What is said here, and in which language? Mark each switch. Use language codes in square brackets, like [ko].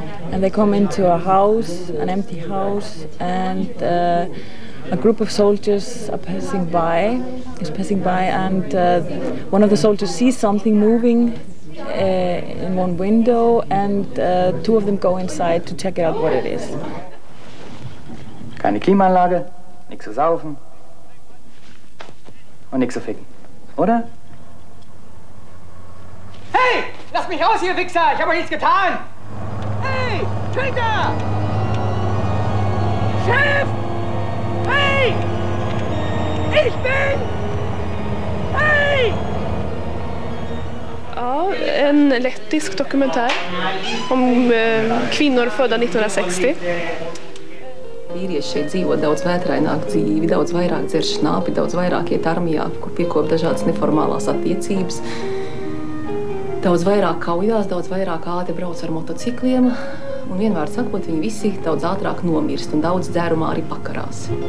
[en] And they come into a house, an empty house, and a group of soldiers is passing by, and one of the soldiers sees something moving in one window, and two of them go inside to check out what it is. [de] Keine Klimaanlage, nichts zu saufen und nichts zu ficken, oder? Hey, lass mich raus, ihr Wichser! Ich habe nichts getan! Chef! Hey! Ich bin! Hey! [sv] Ja, en lettisk dokumentär om kvinnor födda 1960. [lv] Vīrieši šeit dzīvo daudz vētraināk dzīvi, daudz vairāk dzer šnāpi, daudz vairāk iet armijā, kur piekop dažādas neformālās attiecības. Daudz vairāk kaujās, daudz vairāk ātri brauc ar motocikliem. Un vienvārds sakot, viņi visi daudz ātrāk nomirst un daudz dzērumā arī pakarās.